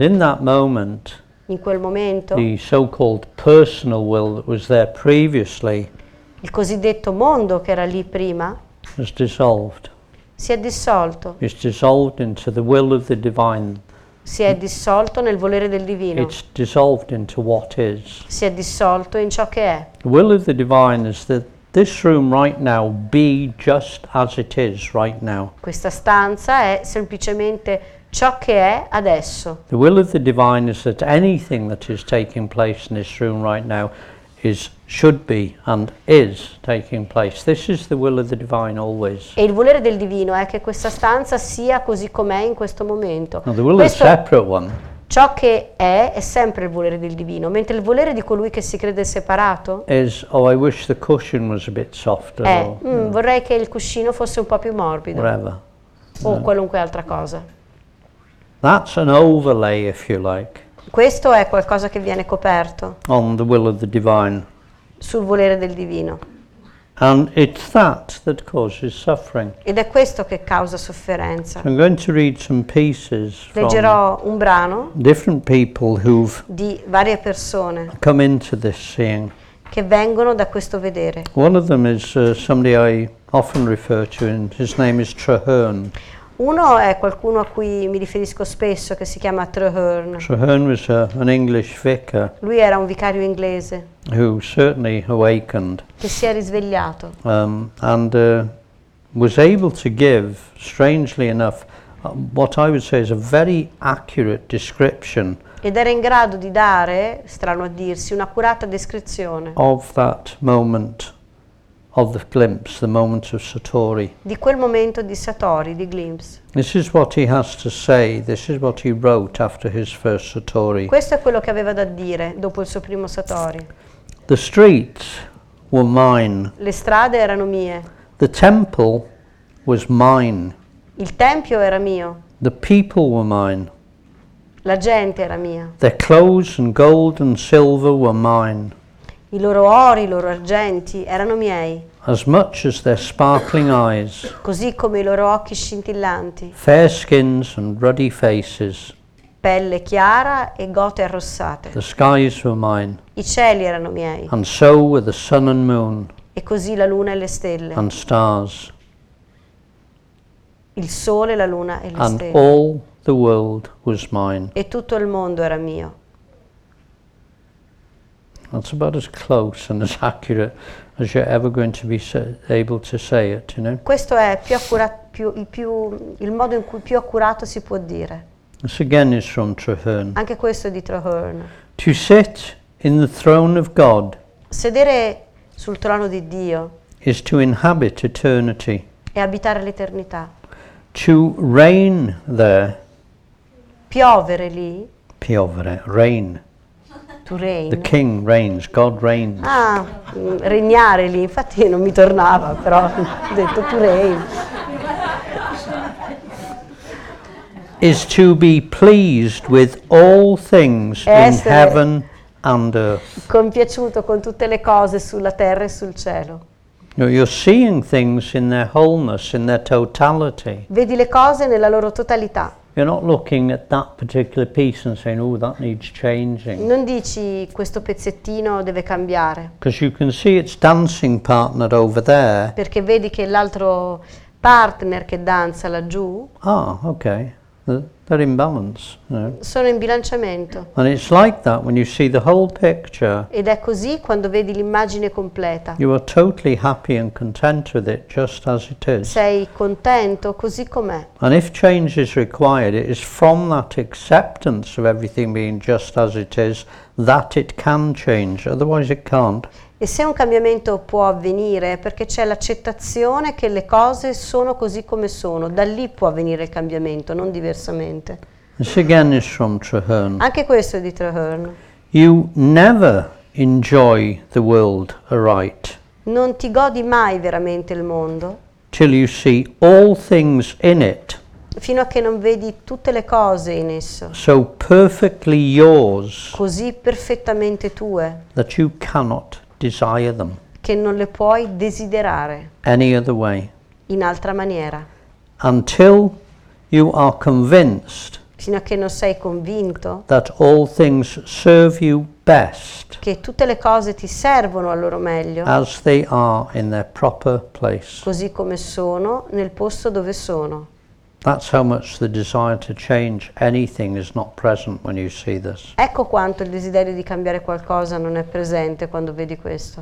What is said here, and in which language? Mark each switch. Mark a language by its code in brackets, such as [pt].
[en] And in that moment, [it] in quel momento, [en] the so-called personal will that was there previously, [it] il cosiddetto mondo che era lì prima, [en] is dissolved. [it] Si è dissolto. [en] It's dissolved into the will of the divine. [it] Si è dissolto nel volere del divino. [en] It's dissolved into what is. [it] Si è dissolto in ciò che è. [en] The will of the divine is that this room right now be just as it is right now. [it] Questa stanza è semplicemente ciò che è adesso. [en] The will of the divine is that anything that is taking place in this room right now is should be and is taking place. This is the will of the divine always. [it] E il volere del divino è che questa stanza sia così com'è in questo momento. [en] Now the will [it] questo [en] is separate one. [it] Ciò che è sempre il volere del divino, mentre il volere di colui che si crede separato [en] is oh I wish the cushion was a bit softer. [it] Vorrei che il cuscino fosse un po' più morbido. [en] Whatever. [it] O no. Qualunque altra cosa. [en] That's an overlay, if you like. [it] Questo è qualcosa che viene coperto. [en] On the will of the divine. [it] Sul volere del divino. [en] And it's that that causes suffering. [it] Ed è questo che causa sofferenza. [en] I'm going to read some pieces. [it] Leggerò un brano. [en] Different people who've [it] di varie persone. [en] Come into this seeing. [it] Che vengono da questo vedere. [en] One of them is somebody I often refer to, and his name is Traherne. [it] Uno è qualcuno a cui mi riferisco spesso, che si chiama Traherne. [en] Traherne was an English vicar. [it] Lui era un vicario inglese. [en] Who certainly awakened. [it] Che si è risvegliato. [en] Was able to give, strangely enough, what I would say is a very accurate description [it] Ed era in grado di dare, strano a dirsi, un'accurata descrizione [en] of that moment of the glimpse, the moment of Satori. [it] Di quel momento di Satori, di glimpse. [en] This is what he has to say. This is what he wrote after his first Satori. [it] Questo è quello che aveva da dire dopo il suo primo Satori. [en] The streets were mine. [it] Le strade erano mie. [en] The temple was mine. [it] Il tempio era mio. [en] The people were mine. [it] La gente era mia. [en] Their clothes and gold and silver were mine. [it] I loro ori, i loro argenti erano miei. [en] As much as their sparkling eyes. [it] Così come i loro occhi scintillanti. [en] Fair skins and ruddy faces. [it] Pelle chiara e gote arrossate. [en] The skies were mine. [it] I cieli erano miei. [en] And so were the sun and moon. [it] E così la luna e le stelle. [en] And stars. [it] Il sole, la luna e le [en] and [it] stelle. [en] All the world was mine. [it] E tutto il mondo era mio. [en] That's about as close and as accurate as you're ever going to be able to say it, you know. [it] Questo è più accurato, il modo in cui più accurato si può dire. [en] This again is from Traherne. [it] Anche questo è di Traherne. [en] To sit in the throne of God. [it] Sedere sul trono di Dio. [en] Is to inhabit eternity. [it] È abitare l'eternità. [en] To reign there. [it] Piovere lì. Piovere, reign. [en] To reign. The king reigns, God reigns. [it] Ah, regnare lì, infatti non mi tornava, però ho detto [en] to reign. Is to be pleased with all things in heaven and earth. [it] Compiaciuto con tutte le cose sulla terra e sul cielo. [en] You're seeing things in their wholeness, in their totality. [it] Vedi le cose nella loro totalità. [en] You're not looking at that particular piece and saying, "Oh, that needs changing." [it] Non dici questo pezzettino deve cambiare. [en] Because you can see its dancing partner over there. [it] Perché vedi che l'altro partner che danza laggiù. [en] Ah, okay. They're in balance. You know. [it] Sono in bilanciamento. [en] And it's like that when you see the whole picture. [it] Ed è così quando vedi l'immagine completa. [en] You are totally happy and content with it, just as it is. [it] Sei contento così com'è. [en] And if change is required, it is from that acceptance of everything being just as it is that it can change. Otherwise, it can't. [it] E se un cambiamento può avvenire, perché c'è l'accettazione che le cose sono così come sono, da lì può avvenire il cambiamento, non diversamente. [en] This again is from Traherne. [it] Anche questo è di Traherne. [en] You never enjoy the world aright. [it] Non ti godi mai veramente il mondo. [en] Till you see all things in it. [it] Fino a che non vedi tutte le cose in esso. [en] So perfectly yours. [it] Così perfettamente tue. [en] That you cannot desire them. [it] Che non le puoi desiderare. [en] Any other way. [it] In altra maniera. [en] Until you are convinced. [it] Fino a che non sei convinto. [en] That all things serve you best. [it] Che tutte le cose ti servono al loro meglio. [en] As they are in their proper place. [it] Così come sono nel posto dove sono. [en] That's how much the desire to change anything is not present when you see this. [it] Ecco quanto il desiderio di cambiare qualcosa non è presente quando vedi questo.